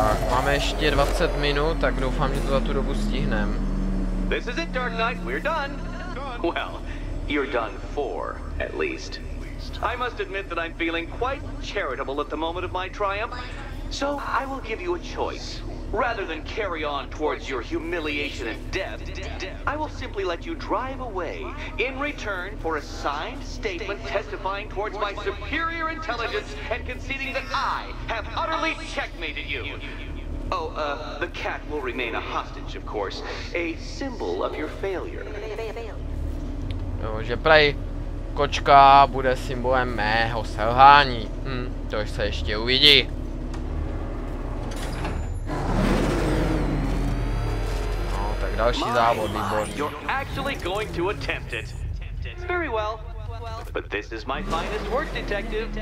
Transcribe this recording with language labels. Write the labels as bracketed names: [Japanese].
[Czech] Máme ještě 20 minut, tak doufám, že to za tu dobu stihnem. [English] This is it, Dark Knight. We're done. Well, you're done for, at least. I must admit that I'm feeling quite charitable at the moment of my triumph. So I will give you a choice. Rather than carry on towards your humiliation and death, I will simply let you drive away in return for a signed statement testifying towards my superior intelligence and conceding that I have utterly checkmated you. Oh, the cat will remain a hostage, of course. A symbol of your failure. [Czech] Jo, že prej kočka bude symbolem mého selhání. Hm, to se ještě uvidí. No, tak další závod, výborný. [English] You're actually going to attempt it. Very well. But this is my finest work, detective.